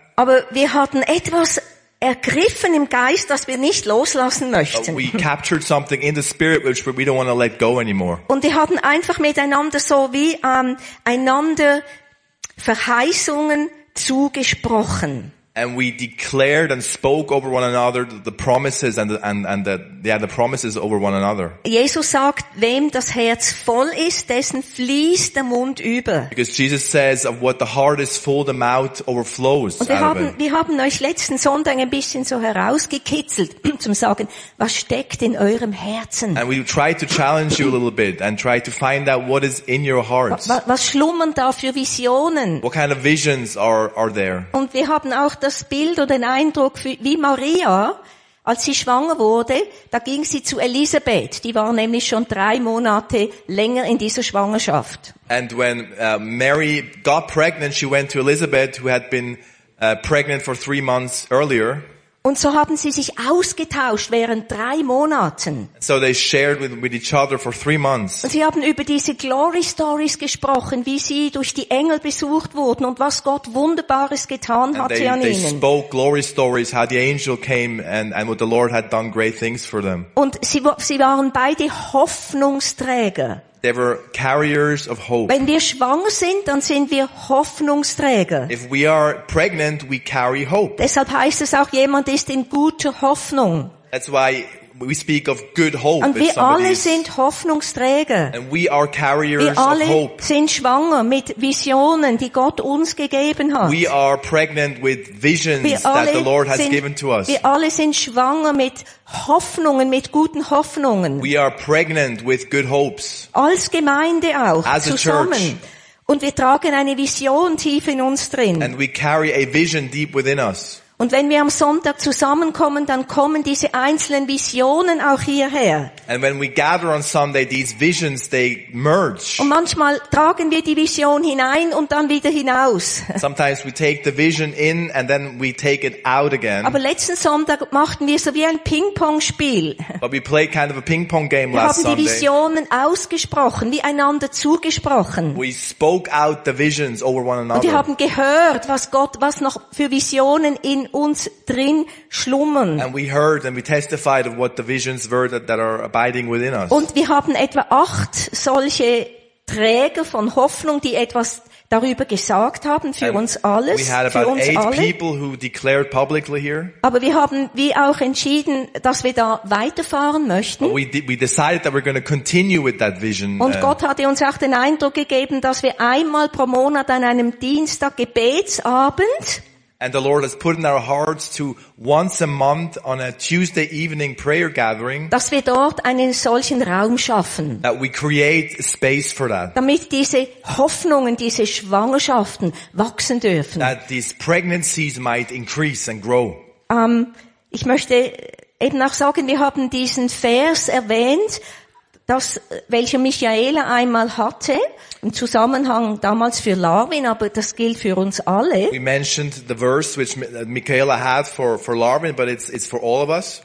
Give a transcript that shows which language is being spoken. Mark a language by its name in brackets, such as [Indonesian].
[German] Aber wir hatten etwas ergriffen im Geist, das wir nicht loslassen möchten. [English] We captured something in the spirit which we don't want to let go anymore. [German] Und wir hatten einfach miteinander so wie einander Verheißungen zugesprochen. [English] And we declared and spoke over one another the promises and the promises over one another. [German] Jesus sagt, wem das Herz voll ist, dessen fließt der Mund über. [English] Because Jesus says, of what the heart is full, the mouth overflows. [German] Und wir haben euch letzten Sonntag ein bisschen so herausgekitzelt, zum sagen, was steckt in eurem Herzen? [English] And we tried to challenge you a little bit and try to find out what is in your hearts. [German] Was schlummern da für Visionen? [English] What kind of visions are there? [German] Und wir haben auch das Bild oder den Eindruck, wie Maria, als sie schwanger wurde, da ging sie zu Elisabeth. Die war nämlich schon 3 Monate länger in dieser Schwangerschaft. [English] And when Mary got pregnant, she went to Elizabeth, who had been pregnant for 3 months earlier. [German] Und so haben sie sich ausgetauscht während 3 Monaten. [English] So they shared with each other for 3 months. [German] Und sie haben über diese [English] Glory Stories [German] gesprochen, wie sie durch die Engel besucht wurden und was Gott Wunderbares getan hatte an ihnen. [English] They spoke glory stories, how the angel came and what the Lord had done great things for them. [German] Und sie waren beide Hoffnungsträger. [English] They were carriers of hope. [German] Wenn wir schwanger sind, dann sind wir Hoffnungsträger. [English] If we are pregnant, we carry hope. [German] Deshalb heißt es auch, jemand ist in guter Hoffnung. [English] That's why we speak of good hope. [German] Und wir alle sind Hoffnungsträger. [English] And we are carriers of hope. [German] Wir alle sind schwanger mit Visionen, die Gott uns gegeben hat. [English] We are pregnant with visions that the Lord has given to us. [German] Wir alle sind schwanger mit Hoffnungen, mit guten Hoffnungen. [English] We are pregnant with good hopes. [German] Als Gemeinde auch, [English] as [German] zusammen. [English] A church. [German] Und wir tragen eine Vision tief in uns drin. [English] And we carry a vision deep within us. [German] Und wenn wir am Sonntag zusammenkommen, dann kommen diese einzelnen Visionen auch hierher. [English] And when we gather on Sunday, these visions, they merge. [German] Und manchmal tragen wir die Vision hinein und dann wieder hinaus. [English] Sometimes we take the vision in and then we take it out again. [German] Aber letzten Sonntag machten wir so wie ein Ping-Pong-Spiel. [English] But we played kind of a ping-pong game last Sunday. [German] Wir haben die Visionen ausgesprochen, wie einander zugesprochen. [English] We spoke out the visions over one another. [German] Und wir haben gehört, was noch für Visionen in uns drin schlummern. [English] And we heard and we testified of what the visions were that are abiding within us. [German] Und wir haben etwa 8 solche Träger von Hoffnung, die etwas darüber gesagt haben für uns alles. [English] We had about 8 people who declared publicly here. [German] Aber wir haben wie auch entschieden, dass wir da weiterfahren möchten. [English] We decided that we're going to continue with that vision. [German] Und Gott hatte uns auch den Eindruck gegeben, dass wir einmal pro Monat an einem Dienstag Gebetsabend. [English] And the Lord has put in our hearts to once a month on a Tuesday evening prayer gathering. [German] Dass wir dort einen solchen Raum schaffen. [English] That we create space for that. [German] Damit diese Hoffnungen, diese Schwangerschaften wachsen dürfen. [English] That these pregnancies might increase and grow. [German] Ich möchte eben auch sagen, wir haben diesen Vers erwähnt, das, welche Michaela einmal hatte, im Zusammenhang damals für Larvin, aber das gilt für uns alle. [English] We mentioned the verse which Michaela had for Larvin, but it's for all of us.